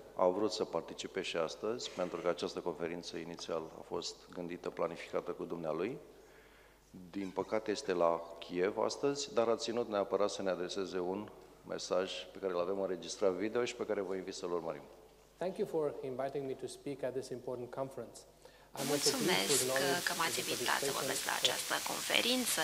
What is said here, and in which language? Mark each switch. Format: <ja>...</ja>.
<ro>A vrut să participe și astăzi, pentru că această conferință inițial a fost gândită, planificată cu dumnealui. Din păcate este la Kiev astăzi, dar a ținut neapărat să ne adreseze un mesaj pe care îl avem înregistrat video și pe care vă invit să-l urmărim.</ro> <en>Thank you for inviting me to speak at this important conference.</en> <ro>Mulțumesc că m-ați invitat să vorbesc la această conferință.</ro>